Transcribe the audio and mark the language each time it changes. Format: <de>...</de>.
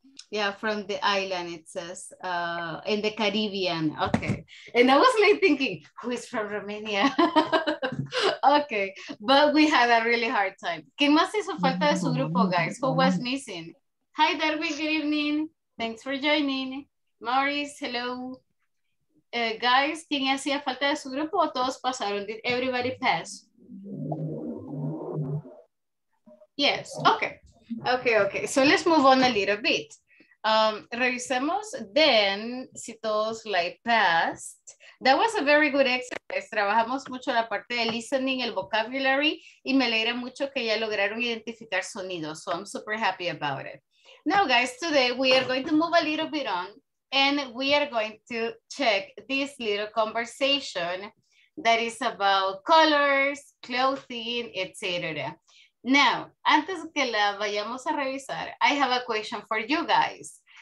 <en>Yeah, from the island, it says, in the Caribbean. Okay. And I was like thinking, who is from Romania? Okay. But we had a really hard time.</en> <es>¿Quién más hizo falta de su grupo, guys?</es> <en>Who was missing? Hi, Darwin. Good evening. Thanks for joining. Maurice, hello.</en> <es>Guys, ¿quién hacía falta de su grupo o todos pasaron?</es> <en>Did everybody pass? Yes. Okay. Okay, okay. So let's move on a little bit.</en> <es>Revisemos then si todos like passed.</es> <en>That was a very good exercise.</en> <es>Trabajamos mucho la parte de listening, el vocabulary, y me alegra mucho que ya lograron identificar sonidos.</es> <en>So I'm super happy about it. Now, guys, today we are going to move a little bit on and we are going to check this little conversation that is about colors, clothing, etc. Now,</en> <es>antes que la vayamos a revisar,</es> <en>I have a question for you guys.</en>